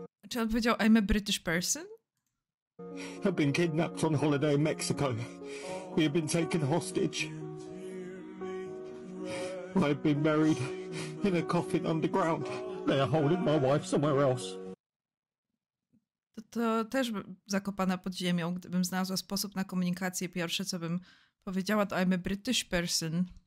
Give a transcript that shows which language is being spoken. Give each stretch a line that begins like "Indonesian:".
Polish: Czy on powiedział,
English: I'm a British person? I've been kidnapped on holiday in Mexico. We have been taken hostage. I've been buried in a coffin underground. They are holding my wife somewhere else.
Polish: To też zakopana pod ziemią. Gdybym znalazła sposób na komunikację, pierwsze co bym powiedziała, to
English: I'm a British person.